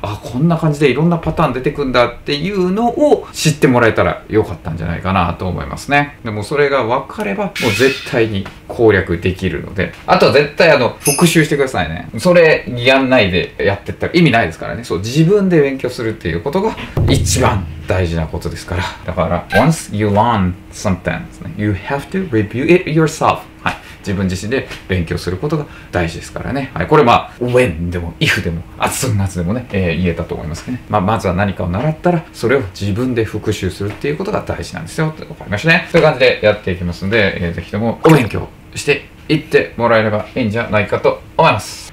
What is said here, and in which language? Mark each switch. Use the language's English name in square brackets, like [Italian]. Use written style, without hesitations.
[Japanese] あ、こんな感じでいろんなパターン出てくんだっていうのを知ってもらえたらよかったんじゃないかなと思いますね。でもそれが分かればもう絶対に攻略できるので、あとは絶対復習してくださいね。それやんないでやってったら意味ないですからね。そう、自分で勉強するっていうことが一番大事なことですから。だから [English] Once you learn something, you have to review it yourself。 [Japanese] はい、自分自身で勉強することが大事ですからね。はい、これまあ when でも if でも as soon as でもね、言えたと思いますけどね。まあまずは何かを習ったら、それを自分で復習するっていうことが大事なんですよ。わかりましたね。そういう感じでやっていきますので、ぜひともお勉強していってもらえればいいんじゃないかと思います。